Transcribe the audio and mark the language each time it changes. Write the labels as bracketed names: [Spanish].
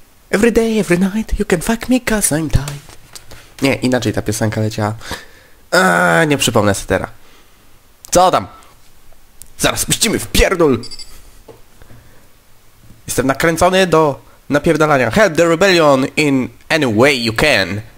[English] Every day, every night, you can fuck me cause I'm tight. [Polish] Nie, inaczej ta piosenka leciała. Nie przypomnę sobie teraz. Co tam? Zaraz puścimy w pierdol. Jestem nakręcony do napierdalania. [English] Help the rebellion in any way you can.